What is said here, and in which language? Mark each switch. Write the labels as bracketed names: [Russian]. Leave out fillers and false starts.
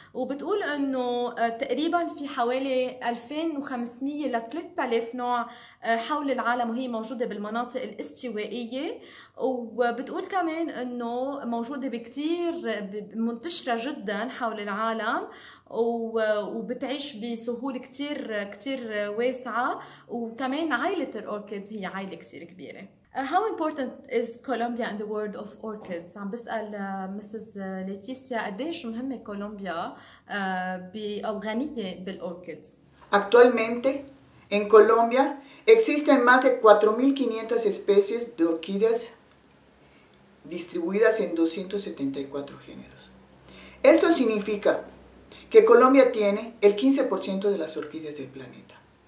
[Arabic] وبتقول انه تقريبا في حوالي 2500 ل 3000 نوع حول العالم وهي موجوده بالمناطق الاستوائيه. وبتقول كمان انه موجوده بكثير منتشره جدا حول العالم وبتعيش بسهول كتير كتير واسعة. وكمان عائلة الأوركيد هي عائلة كتير كبيرة. [English] How important is Colombia in the world of orchids؟ [Arabic] عم بسأل [English] Mrs. [Arabic] Leticia قديش مهمة كولومبيا أو غنية بالأوركيد. [Spanish] Actualmente en Colombia existen más de 4500 especies de orquídeas distribuidas en 274 géneros. Esto significa que Colombia tiene el 15% de las orquídeas del planeta.